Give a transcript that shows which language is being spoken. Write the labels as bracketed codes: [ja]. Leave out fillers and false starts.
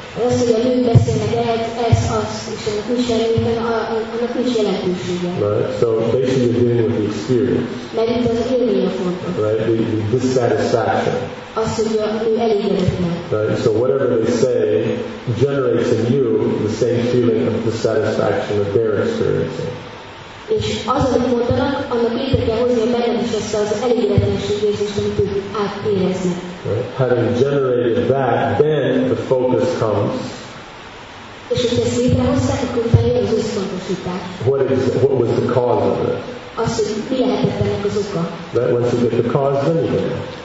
[en] Right, so basically you're dealing with the experience. Right, the dissatisfaction. Right, so whatever they say generates in you the same feeling of dissatisfaction that they're experiencing. [hu] És az, amit mondanak, annak létre kell hozni a bennem is ezt az elégedetlenség érzést, amit ők átéreznek. [en] Right. Having generated that, then the focus comes. [hu] És hogy ezt létrehozták, akkor felé az összpontosítás. [en] What was the cause of it? [hu] Az, hogy mi lehetett ennek az oka. [en] That once you get the cause, then you get it.